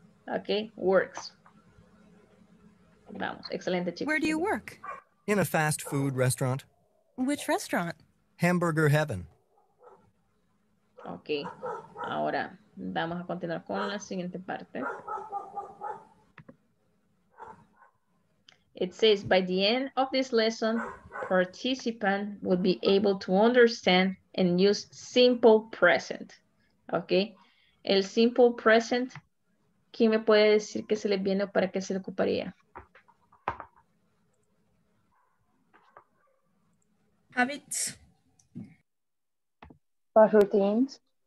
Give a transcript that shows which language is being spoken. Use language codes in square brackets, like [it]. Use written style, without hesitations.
[en] Okay, works. [es] Vamos, excelente, chicos. [en] Where do you work? In a fast food restaurant. Which restaurant? Hamburger Heaven. Okay. [es] Ahora vamos a continuar con la siguiente parte. [en] It says, by the end of this lesson, participant will be able to understand and use simple present. Okay. [es] El simple present, ¿quién me puede decir qué se le viene o para qué se le ocuparía? [en] Habits. For routines.